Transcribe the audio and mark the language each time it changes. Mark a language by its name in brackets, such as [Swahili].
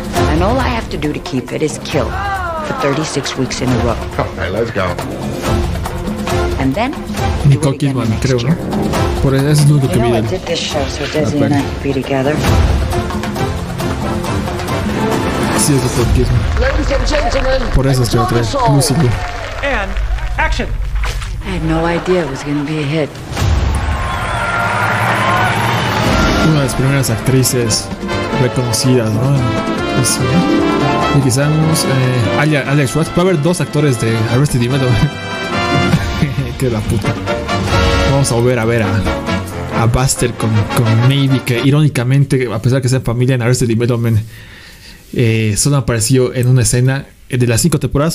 [English] And all I have to do to keep it is kill for 36 weeks in a row. Okay, let's go. And then [Spanish] Nicole Kidman, creo, ¿no? Por eso es lo que vi. [English] Did this show so Desi and I could be together? [Spanish] Sí, es Nicole Kidman. [English] Ladies and gentlemen, [Spanish] por eso es otra música. [English] And action. I had no idea it was going to be a hit. [Spanish] Una de las primeras actrices reconocidas, ¿no? Sí. Y quizá vamos Alex Schwartz. Puede haber dos actores de Arrested Development. Que la puta. Vamos a volver a ver a Buster con Navy, que irónicamente, a pesar que sea familia en Arrested Development, solo apareció en una escena de las 5 temporadas.